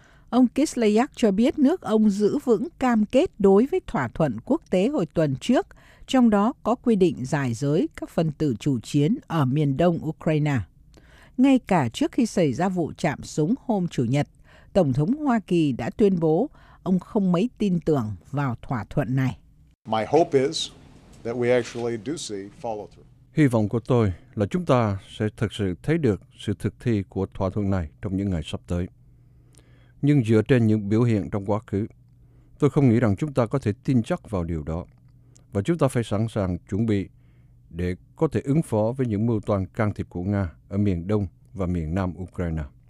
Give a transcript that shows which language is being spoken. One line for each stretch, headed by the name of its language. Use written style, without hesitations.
Vietnamese: Ông Kislyak cho biết nước ông giữ vững cam kết đối với thỏa thuận quốc tế hồi tuần trước, trong đó có quy định giải giới các phần tử chủ chiến ở miền đông Ukraine. Ngay cả trước khi xảy ra vụ chạm súng hôm Chủ nhật, Tổng thống Hoa Kỳ đã tuyên bố ông không mấy tin tưởng vào thỏa thuận này.
English: My hope is that we actually do see follow-through.
Vietnamese: Hy vọng của tôi là chúng ta sẽ thực sự thấy được sự thực thi của thỏa thuận này trong những ngày sắp tới. Nhưng dựa trên những biểu hiện trong quá khứ, tôi không nghĩ rằng chúng ta có thể tin chắc vào điều đó. Và chúng ta phải sẵn sàng chuẩn bị để có thể ứng phó với những mưu toan can thiệp của Nga ở miền Đông và miền Nam Ukraine.